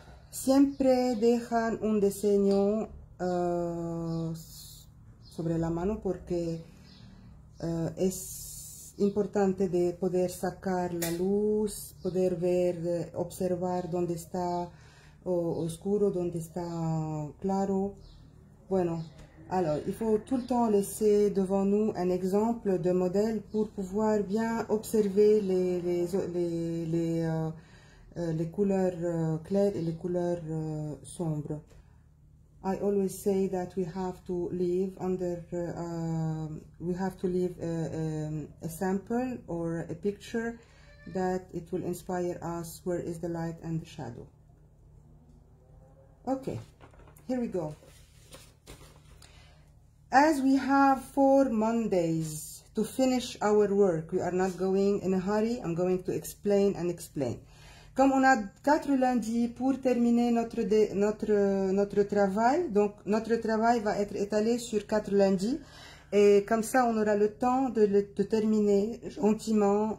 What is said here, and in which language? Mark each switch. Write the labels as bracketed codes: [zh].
[es] Siempre dejan un diseño sobre la mano porque es importante de poder sacar la luz, poder ver, observar dónde está oscuro, dónde está claro. [fr] Bueno, alors, il faut tout le temps laisser devant nous un exemple de modèle pour pouvoir bien observer les couleurs claires et les couleurs sombres. [en] I always say that we have to leave under we have to leave a sample or a picture that it will inspire us where is the light and the shadow. Okay, here we go. As we have 4 Mondays to finish our work, we are not going in a hurry. I'm going to explain and explain. [fr] Comme on a 4 lundis pour terminer notre travail, donc notre travail va être étalé sur 4 lundis. Et comme ça, on aura le temps de terminer gentiment.